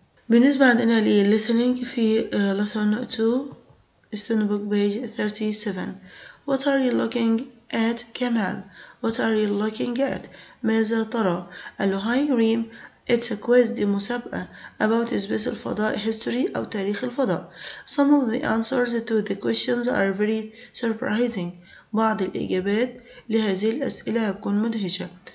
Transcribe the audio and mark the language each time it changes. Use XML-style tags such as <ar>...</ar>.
<ar>بالنسبة عندنا</ar> <en>للسننج في lesson 2 student book page 37 What are you looking at Kamal? What are you looking at?</en> <ar>ماذا ترى؟ قال له هاي ريم</ar> <en>It's a quiz</en> <ar>دي مسابقة</ar> <en>about space</en> <ar>الفضاء history أو تاريخ الفضاء.</ar> <en>Some of the answers to the questions are very surprising.</en> <ar>بعض الإجابات لهذه الأسئلة هتكون مدهشة.</ar>